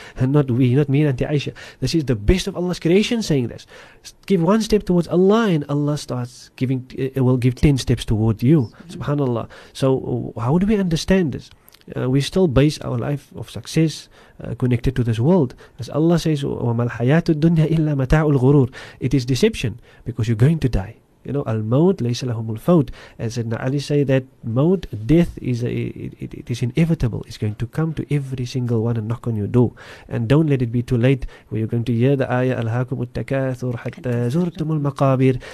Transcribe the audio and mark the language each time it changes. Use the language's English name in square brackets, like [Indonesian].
[English] And not we, not me and Auntie Aisha. This is the best of Allah's creation saying this. Give one step towards Allah and Allah starts giving, will give 10 steps towards you. SubhanAllah. So how do we understand this? We still base our life of success connected to this world. As Allah says, [Arabic] وَمَا الْحَيَاةُ الدُّنْيَا إِلَّا مَتَاعُ الْغُرُورِ. [English] It is deception, because you're going to die. You know, [Arabic] al-maut laysa lahum al-faut. [English] As Ibn Ali say, that maut, death, is inevitable. It's going to come to every single one and knock on your door. And don't let it be too late, where you're going to hear the ayah, [Arabic] al-haakumu al-takathur hatta zurtumu al-maqabir.